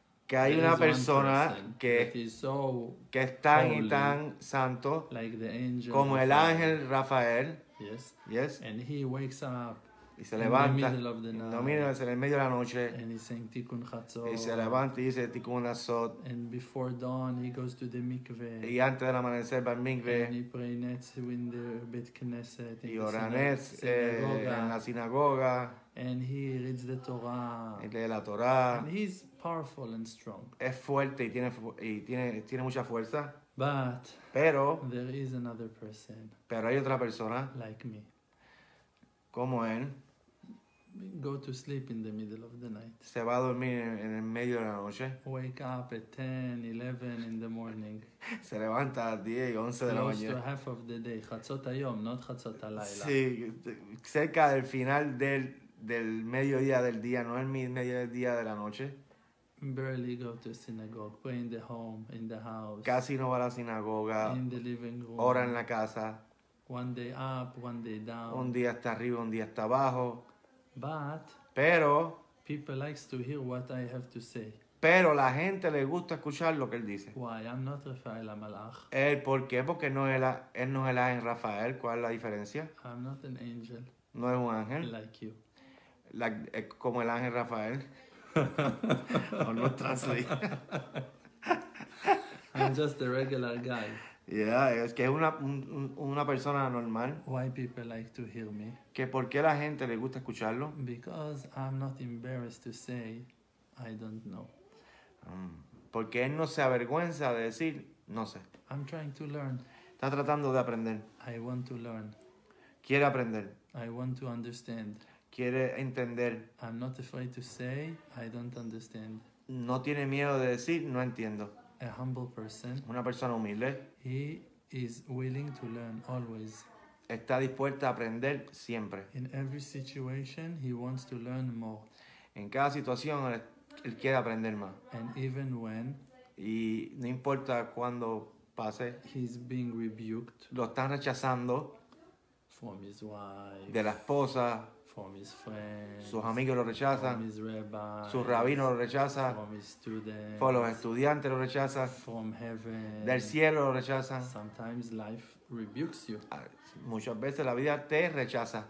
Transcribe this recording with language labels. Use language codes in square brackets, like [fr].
[es] que hay una persona que es tan y tan santo como el ángel Rafael. [en] Yes. Yes. And he wakes up. [es] Y se levanta en el medio de la noche. [en] And he's saying Tikkun Chatzot. [es] Y se levanta y dice Tikkun Chatzot. [en] And before dawn he goes to the mikveh. [es] Y antes del amanecer va al mikveh. [en] And he pray netz in the Beit Knesset. [es] Y ora netz en la sinagoga. [en] And he reads the Torah. [es] Y lee la Torah. [en] And he's powerful and strong. [es] Es fuerte y tiene mucha fuerza. [en] But [es] pero [en] there is another person. [es] Pero hay otra persona. [en] Like me. [es] Como él. [en] Go to sleep in the middle of the night. [es] Se va a dormir en el medio de la noche. [en] Wake up at 10, 11 in the morning. [es] Se levanta a 10 y 11 de la mañana. [en] Close to half of the day. [he] Chatzot hayom, [en] not [he] chatzot halayla. [es] Sí, cerca del final del mediodía del día, no el mediodía de la noche. [en] Barely go to synagogue. Pray in the home, in the house. [es] Casi no va a la sinagoga. [en] In the living room. [es] Ora en la casa. [en] One day up, one day down. [es] Un día está arriba, un día está abajo. [en] But [es] pero [en] people likes to hear what I have to say. [es] Pero la gente le gusta escuchar lo que él dice. [en] Why? I'm not Rafael HaMalach. [es] ¿El por qué? Porque él no es el ángel Rafael. ¿Cuál es la diferencia? [en] I'm not an angel. [es] No es un ángel. [en] Like you. [es] Es como el ángel Rafael. O no translate. [en] I'm just a regular guy. [es] Yeah, es que es una persona normal. [en] Why people like to hear me? [es] Que por qué la gente le gusta escucharlo? [en] Because I'm not embarrassed to say I don't know. [es] Porque él no se avergüenza de decir no sé. [en] I'm trying to learn. [es] Está tratando de aprender. [en] I want to learn. [es] Quiere aprender. [en] I want to understand. [es] Quiere entender. [en] I'm not afraid to say I don't understand. [es] No tiene miedo de decir no entiendo. [en] A humble person. [es] Una persona humilde. [en] He is willing to learn always. [es] Está dispuesta a aprender siempre. [en] In every situation, he wants to learn more. [es] En cada situación, él quiere aprender más. [en] And even when. [es] Y no importa cuando pase. [en] He's being rebuked. [es] Lo están rechazando. [en] From his wife. [es] De la esposa. [en] From his friends. [es] Sus amigos lo rechazan. [en] From his rabbis. [es] Sus rabinos lo rechazan. [en] From his students. [es] Por los estudiantes lo rechazan. [en] From heaven. [es] Del cielo lo rechazan. [en] Sometimes life rebukes you. [es] Muchas veces la vida te rechaza.